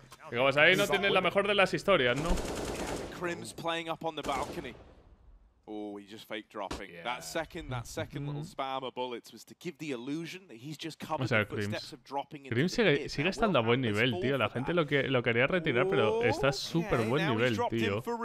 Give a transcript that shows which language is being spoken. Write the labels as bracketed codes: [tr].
[es] Digamos, ahí no tienen la mejor de las historias, ¿no? [en] Crims playing up on the balcony. Oh, he just fake dropping. Yeah. That second little spam of bullets was to give the illusion that he's just covered the footsteps of dropping. [es] Grim sigue estando a buen nivel, tío. La gente lo quería retirar, pero está súper buen nivel, tío.